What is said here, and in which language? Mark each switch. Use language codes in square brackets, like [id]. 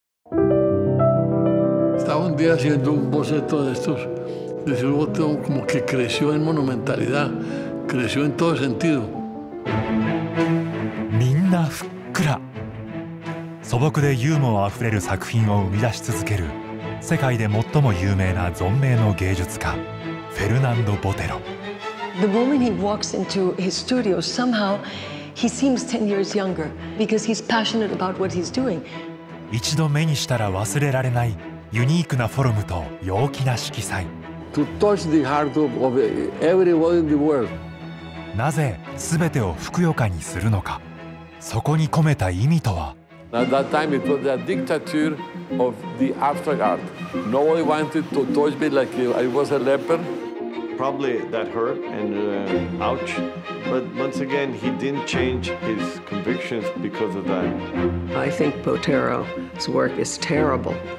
[es] un día haciendo un boceto de estos, de ese boteo como que creció en monumentalidad, creció en todo sentido. [ja] みんなふっくら。素朴でユーモアあふれる作品を生み出し続ける世界で最も有名な存命の芸術家フェルナンド・ボテロ。 [en] The moment he walks into his studio, somehow he seems 10 years younger because he's passionate about what he's doing. [ja] 一度目にしたら忘れられないユニークなフォルムと陽気な色彩。 [en] To touch the heart of everyone in the world. [ja] なぜ全てをふくよかにするのか。そこに込めた意味とは。 [en] At that time it was the dictature of the abstract art. Nobody wanted to touch me like I was a leper. Probably that hurt and ouch. But once again, he didn't change his convictions because of that. I think Botero's work is terrible.